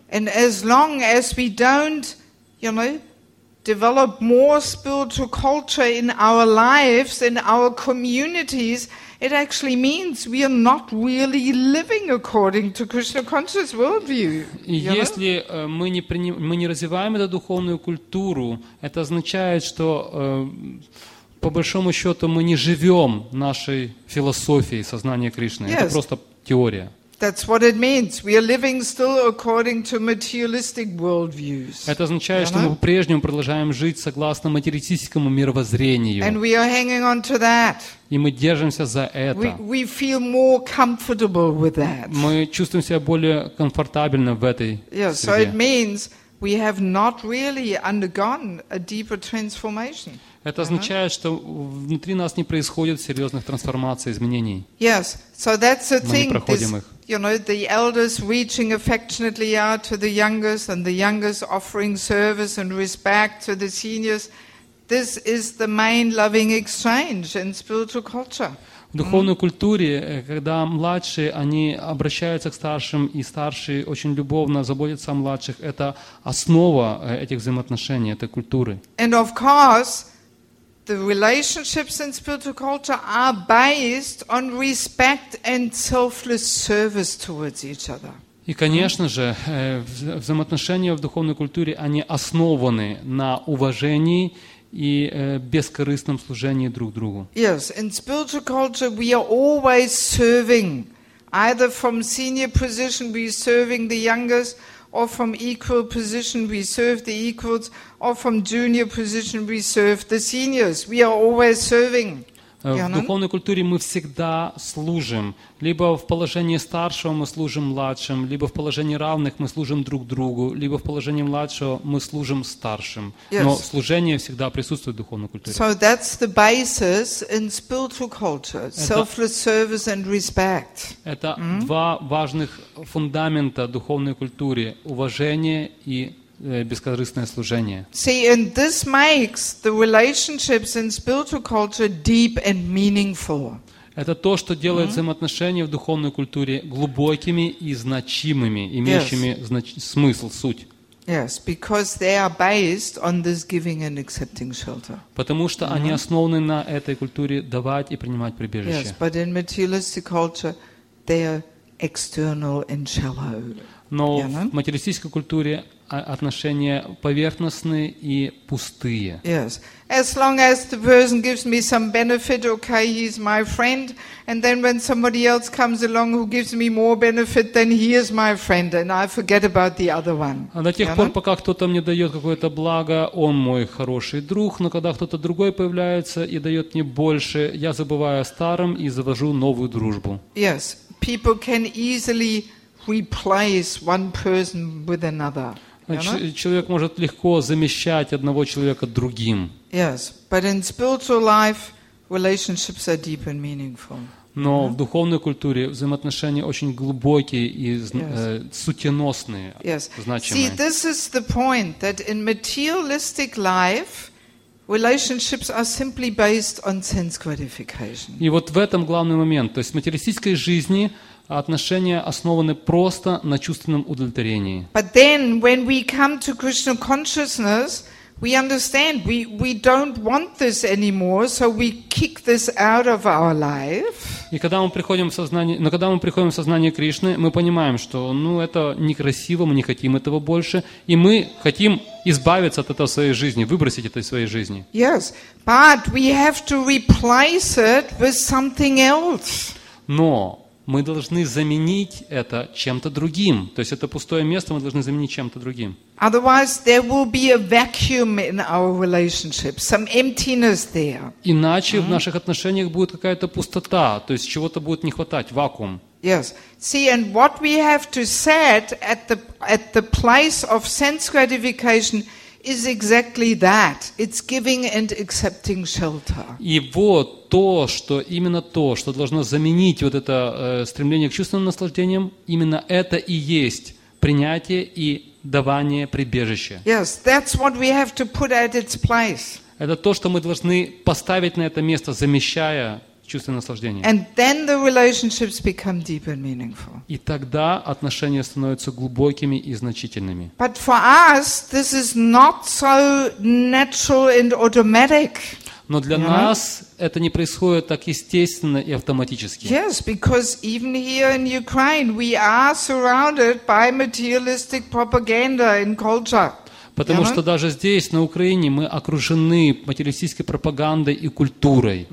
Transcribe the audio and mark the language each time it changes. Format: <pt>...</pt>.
<en>And as long as we don't, you know, develop more spiritual culture in our lives, in our communities, it actually means we are not really living according to Krishna conscious worldview.</en> <ru>Если мы не развиваем эту духовную культуру, это означает, что по большому счету, мы не живем нашей философией сознания Кришны.</ru> <en>Yes.</en> <ru>Это просто теория.</ru> <en>That's what it means. We are living still according to materialistic worldviews.</en> <ru>Это означает, что мы по-прежнему продолжаем жить согласно материалистическому мировоззрению.</ru> <en>And we are hanging on to that.</en> <ru>И мы держимся за это.</ru> <en>We feel more comfortable with that.</en> <ru>Мы чувствуем себя более комфортабельно в этой среде.</ru> <en>So it means we have not really undergone a deeper transformation.</en> <ru>Это означает, что внутри нас не происходит серьезных трансформаций, изменений.</ru> <en>Yes, so that's the thing.</en> <ru>Мы не проходим их.</ru> <en>You know, the elders reaching affectionately out to the youngest, and the youngest offering service and respect to the seniors. This is the main loving exchange in spiritual culture.</en> <ru>В духовной культуре, когда младшие, они обращаются к старшим, и старшие очень любовно заботятся о младших, это основа этих взаимоотношений, этой культуры.</ru> <en>And of course, the relationships in spiritual culture are based on respect and selfless service towards each other.</en> <ru>И, конечно же, взаимоотношения в духовной культуре, они основаны на уважении и бескорыстном служении друг другу.</ru> <en>Yes, in spiritual culture we are always serving. Either from senior position we are serving the youngest, or from equal position we serve the equals, or from junior position we serve the seniors. We are always serving.</en> <ru>В духовной культуре мы всегда служим. Либо в положении старшего мы служим младшим, либо в положении равных мы служим друг другу, либо в положении младшего мы служим старшим.</ru> <en>Yes.</en> <ru>Но служение всегда присутствует в духовной культуре.</ru> <en>So that's the basis in spiritual culture, selfless service and respect.</en> <ru>Это два важных фундамента духовной культуры – уважение и бескорыстное служение.</ru> <en>See, and this makes the relationships in spiritual culture deep and meaningful.</en> <ru>Это то, что делает взаимоотношения в духовной культуре глубокими и значимыми, имеющими смысл, суть.</ru> <en>Yes, because they are based on this giving and accepting shelter.</en> <ru>Потому что они основаны на этой культуре давать и принимать прибежище.</ru> <en>Yes, but in materialistic culture, they are external and shallow.</en> <ru>Но в материалистической культуре отношения поверхностные и пустые.</ru> <en>Yes. As long as the person gives me some benefit, okay, he's my friend. And then when somebody else comes along who gives me more benefit, then he is my friend, and I forget about the other one.</en> <ru>А до тех пор, пока кто-то мне дает какое-то благо, он мой хороший друг, но когда кто-то другой появляется и дает мне больше, я забываю о старом и завожу новую дружбу.</ru> <en>Yes. People can easily replace one person with another.</en> <ru>Человек может легко замещать одного человека другим.</ru> <en>Yes, but in spiritual life, relationships are deep and meaningful.</en> <ru>Но в духовной культуре взаимоотношения очень глубокие и сутеносные, значимые.</ru> <en>See, this is the point that in materialistic life, relationships are simply based on sense gratification.</en> <ru>И вот в этом главный момент, то есть в материалистической жизни отношения основаны просто на чувственном удовлетворении.</ru> <en>But then, when we come to Krishna consciousness, we understand we don't want this anymore, so we kick this out of our life.</en> <ru>И когда мы приходим в сознание, Кришны, мы понимаем, что, это некрасиво, мы не хотим этого больше, и мы хотим избавиться от этого своей жизни, выбросить это из своей жизни.</ru> <en>Yes, but we have to replace it with something else.</en> <ru>Но мы должны заменить это чем-то другим. То есть это пустое место, мы должны заменить чем-то другим.</ru> <en>Otherwise, there will be a vacuum in our relationship, some emptiness there.</en> <ru>Иначе в наших отношениях будет какая-то пустота, то есть чего-то будет не хватать, вакуум.</ru> <en>Yes. See, and what we have to set at the place of sense gratification is exactly that. It's giving and accepting shelter.</en> <ru>И вот то, что именно то, что должно заменить вот это стремление к чувственным наслаждениям, именно это и есть принятие и давание прибежища.</ru> <en>Yes, that's what we have to put at its place.</en> <ru>Это то, что мы должны поставить на это место, замещая чувственное наслаждение.</ru> <en>And then the relationships become deep and meaningful.</en> <ru>И тогда отношения становятся глубокими и значительными.</ru> <en>But for us, this is not so natural and automatic.</en> <ru>Но для нас это не происходит так естественно и автоматически.</ru> <en>Yes, because even here in Ukraine we are surrounded by materialistic propaganda and culture.</en> <ru>Потому что даже здесь, на Украине, мы окружены материалистической пропагандой и культурой.</ru>